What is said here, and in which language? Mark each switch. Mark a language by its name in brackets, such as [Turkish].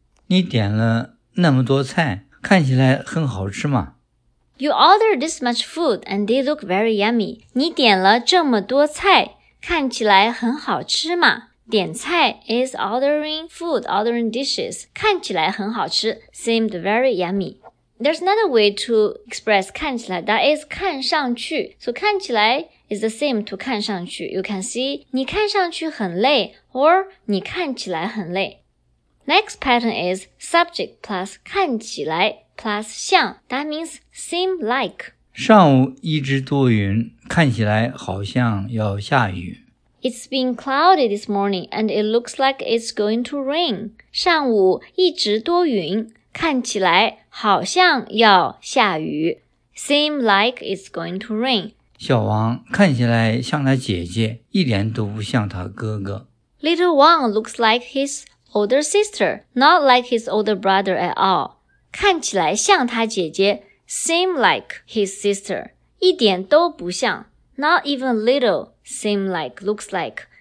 [Chinese] 你点了那么多菜，看起来很好吃吗？ [English] You order this much food and they look very yummy. [Chinese] 你点了这么多菜，看起来很好吃吗？ [English] 点菜 is ordering food, ordering dishes. [Chinese] 看起来很好吃 [English] seemed very yummy. There's another way to express 看起来 that is 看上去 So 看起来 is the same to 看上去 You can see [Chinese] 你看上去很累 [English] or [Chinese] 你看起来很累 [English] Next pattern is subject plus 看起来 plus 像 That means seem like [Chinese] 上午一直多云看起来好像要下雨 [English] It's been cloudy this morning and it looks like it's going to rain [Chinese] 上午一直多云看起来好像要下雨 [English] Seem like it's going to rain [Chinese] 小王看起来像他姐姐一点都不像他哥哥 [English] Little Wang looks like his older sister Not like his older brother at all [Chinese] 看起来像他姐姐 [English] Seem like his sister [Chinese] 一点都不像 [English] Not even little Seem like looks like